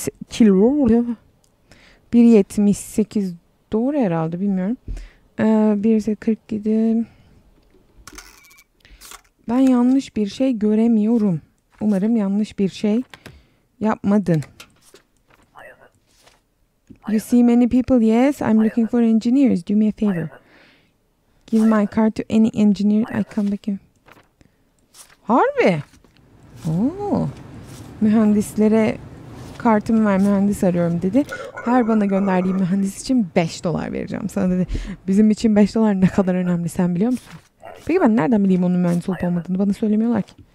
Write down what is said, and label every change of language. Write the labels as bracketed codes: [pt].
[tr] Kilo 1.78 doğru herhalde, bilmiyorum. 1.47. Ben yanlış bir şey göremiyorum. Umarım yanlış bir şey yapmadın. [en] You see many people? Yes, I'm looking for engineers. Do me a favor. Give my car to any engineer. I come back in. [tr] Harbi. Oo. Mühendislere kartımı ver, mühendis arıyorum dedi. Her bana gönderdiği mühendis için $5 vereceğim sana dedi. Bizim için $5 ne kadar önemli sen biliyor musun? Peki ben nereden bileyim onun mühendis olup olmadığını? Bana söylemiyorlar ki.